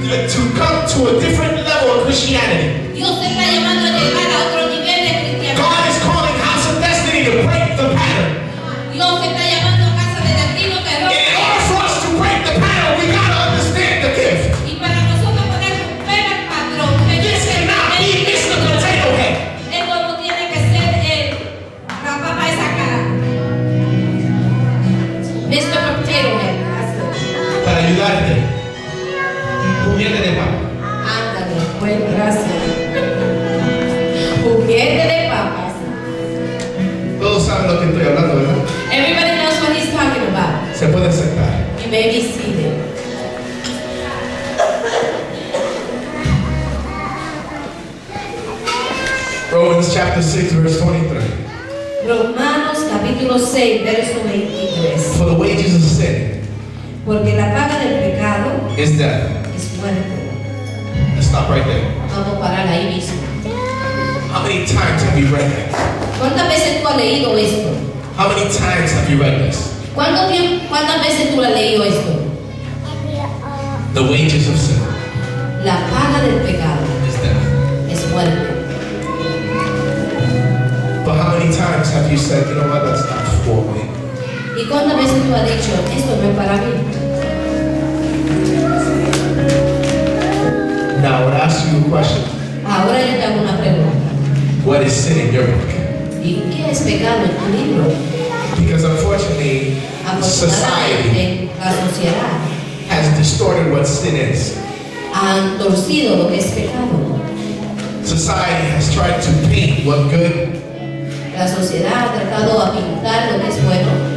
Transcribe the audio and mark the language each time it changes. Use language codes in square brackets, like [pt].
[en] To come to a different level of Christianity. [es] Dios te está llamando a llegar a otro nivel de cristianismo. [en] God is calling House of Destiny to break the pattern. [es] Dios te está llamando a casa de destino que rompe. [en] In order for us to break the pattern, we gotta understand the gift. [es] Y para nosotros poder romper el patrón, [en] this cannot be Mr. Potato Head. [es] Esto no tiene que ser el papá para esa cara. [en] Mr. Potato Head. [es] Para ayudarte. Ándale, pues gracias. Juguete de papas. Todos saben lo que estoy hablando, ¿verdad? [en] Everybody knows what he's talking about. [es] Se puede sentar. Y baby, sigue. [en] Romans chapter 6, verse 23. [es] Romanos capítulo 6, verso 23. [en] For the wages of sin. [es] Porque la paga del pecado [en] is death. [es] Muerte. [en] Stop right there. [es] Vamos a parar ahí mismo. [en] How many times have you read this? [es] ¿Cuántas veces tú has leído esto? [en] How many times have you read this? [es] ¿Cuántas veces tú has leído esto? [en] The wages of sin. [es] La paga del pecado. [en] Is death. [es] Es muerte. [en] But how many times have you said, you know what, that's not for me? [es] ¿Y cuántas veces tú has dicho esto no es para mí? [en] Now I want to ask you a question. [es] Ahora yo te hago una pregunta. [en] What is sin in your book? [es] ¿Y qué es pecado en tu libro? [en] Because unfortunately, society [es] la sociedad [en] has distorted what sin is. [es] Han torcido lo que es pecado. [en] Society has tried to paint what good. [es] La sociedad ha tratado a pintar lo que es bueno.